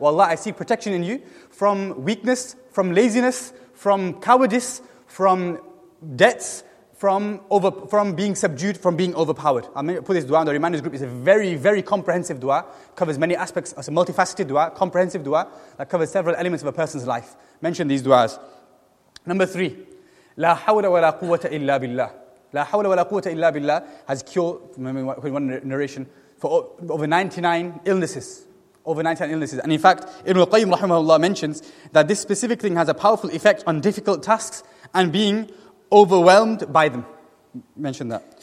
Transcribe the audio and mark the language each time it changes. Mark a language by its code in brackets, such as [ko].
[en] Wa Allah, I seek protection in you from weakness, from laziness, from cowardice, from debts, from being subdued, from being overpowered. I'll put this dua in the reminders group. It's a very, very comprehensive dua. Covers many aspects. It's a multifaceted dua, comprehensive dua, that covers several elements of a person's life. Mention these du'as. Number three, [ar] لا حول ولا قوة إلا بالله. لا حول ولا قوة إلا بالله [en] has cured, remember one narration, for over 99 illnesses. Over 99 illnesses. And in fact, Ibn al-Qayyim rahimahullah mentions that this specific thing has a powerful effect on difficult tasks and being overwhelmed by them. Mention that.